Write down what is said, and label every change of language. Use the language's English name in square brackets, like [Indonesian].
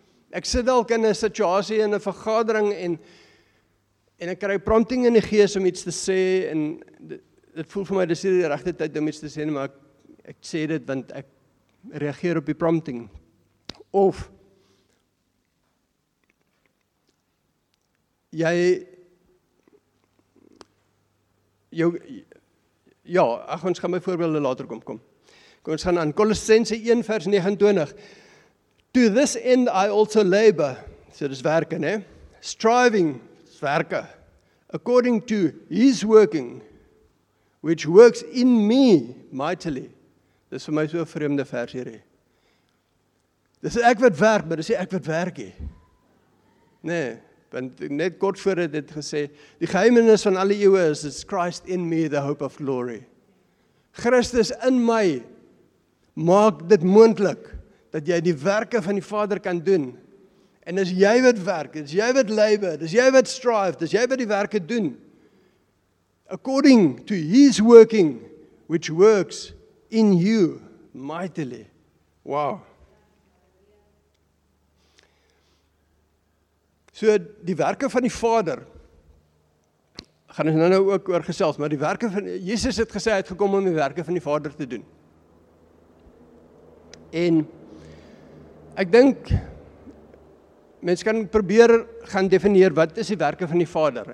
[Afrikaans] Ek sit dalk in 'n situasie, in 'n vergadering en ek kry prompting in die gees om iets te sê en dit voel vir my, dis hierdie regte tyd om iets te sê, maar ek sê dit want ek reageer op die prompting. Of ons gaan my voorbeelde later kom. Kom, ons gaan aan Kolossense 1 vers 29. [English] To this end I also labor, [Afrikaans] so dis werke, ne? [English] Striving, [Afrikaans] dis werke, [English] according to his working, which works in me mightily. [Afrikaans] Dit is vir my so 'n vreemde vers hierdie. Dis ek wat werk, maar dis nie ek wat werk nie. Nee, want net kort voor het dit gesê, die geheimenis van alle eeuwe is, [English] it's Christ in me, the hope of glory. [Afrikaans] Christus in my, maak dit moontlik, dat jy die werke van die Vader kan doen. En dis jy wat werk, dis jy wat labor, dis jy wat strive, dis jy wat die werke doen. [English] According to his working, which works in you mightily. Wow. [Afrikaans] So die werke van die Vader, gaan ons nou ook oor gesels, maar die werke van, Jesus het gesê, hy het gekom om die werke van die Vader te doen. En, ek dink, mens kan probeer gaan definieer, wat is die werke van die Vader?